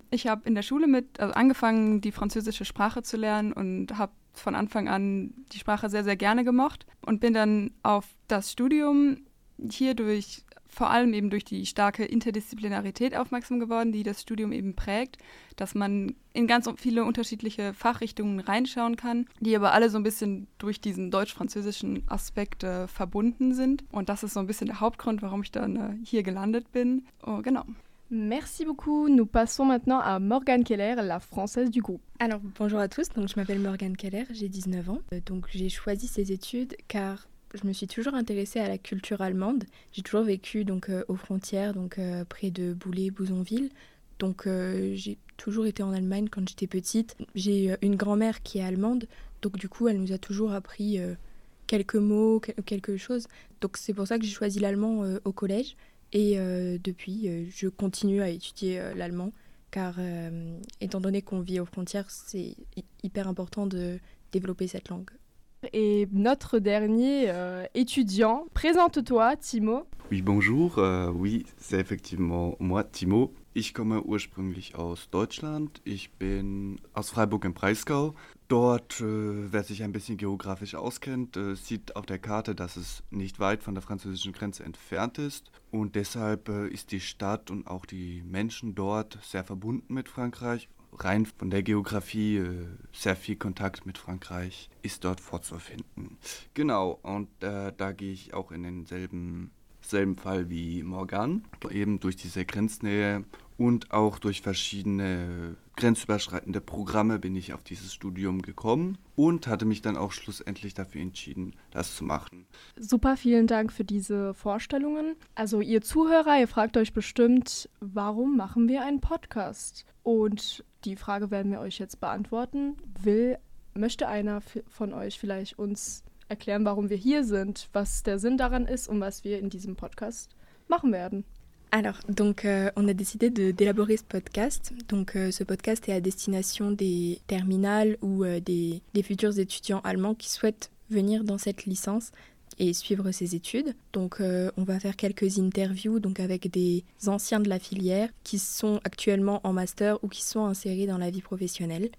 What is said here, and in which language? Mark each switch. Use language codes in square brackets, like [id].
[de] Ich habe in der Schule angefangen, die französische Sprache zu lernen und habe von Anfang an die Sprache sehr, sehr gerne gemocht und bin dann auf das Studium hierdurch vor allem eben durch die starke Interdisziplinarität aufmerksam geworden, die das Studium eben prägt, dass man in ganz viele unterschiedliche Fachrichtungen reinschauen kann, die aber alle so ein bisschen durch diesen deutsch-französischen Aspekt verbunden sind. Und das ist so ein bisschen der Hauptgrund, warum ich dann hier gelandet bin. Oh, genau. [fr] Merci beaucoup. Nous passons maintenant à Morgan Keller, la française du groupe. Alors, bonjour à tous. Donc, je m'appelle Morgan Keller, j'ai 19 ans. Donc, j'ai choisi ces études car je me suis toujours intéressée à la culture allemande. J'ai toujours vécu donc, aux frontières, donc, près de Boulay-Bouzonville. Donc j'ai toujours été en Allemagne quand j'étais petite. J'ai une grand-mère qui est allemande, donc du coup elle nous a toujours appris quelques mots, quelque chose. Donc c'est pour ça que j'ai choisi l'allemand au collège. Et depuis, je continue à étudier l'allemand, car étant donné qu'on vit aux frontières, c'est hyper important de développer cette langue. Et notre dernier étudiant, présente-toi, Timo. Oui, bonjour. Oui, c'est effectivement moi, Timo. [de] Ich komme ursprünglich aus Deutschland. Ich bin aus Freiburg im Breisgau. Dort, wer sich ein bisschen geografisch auskennt, sieht auf der Karte, dass es nicht weit von der französischen Grenze entfernt ist. Und deshalb ist die Stadt und auch die Menschen dort sehr verbunden mit Frankreich. Rein von der Geografie, sehr viel Kontakt mit Frankreich ist dort vorzufinden. Genau, und da gehe ich auch in denselben Fall wie Morgan. Eben durch diese Grenznähe und auch durch verschiedene grenzüberschreitende Programme bin ich auf dieses Studium gekommen und hatte mich dann auch schlussendlich dafür entschieden, das zu machen. Super, vielen Dank für diese Vorstellungen. Also ihr Zuhörer, ihr fragt euch bestimmt, warum machen wir einen Podcast? Und die Frage werden wir euch jetzt beantworten. Möchte einer von euch vielleicht uns erklären, warum wir hier sind, was der Sinn daran ist und was wir in diesem Podcast machen werden? [fr] Alors, donc, on a décidé d'élaborer ce podcast. Donc, ce podcast est à destination des terminales ou des futurs étudiants allemands qui souhaitent venir dans cette licence et suivre ses études. Donc on va faire quelques interviews donc avec des anciens de la filière qui sont actuellement en master ou qui sont insérés dans la vie professionnelle.